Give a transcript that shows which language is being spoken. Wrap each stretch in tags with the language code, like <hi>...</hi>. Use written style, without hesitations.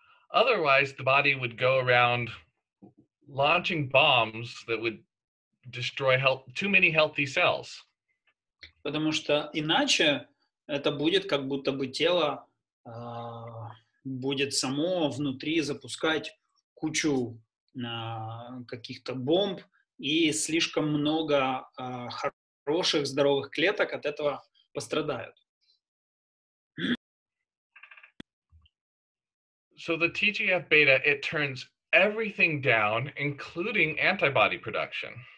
<en>Otherwise, the body would go around launching bombs that would destroy too many healthy cells.</en> <ru>Потому что иначе это будет как будто бы тело будет само внутри запускать кучу каких-то бомб, и слишком много хороших здоровых клеток от этого пострадают.</ru> <en>So the TGF-beta, it turns everything down, including antibody production.</en>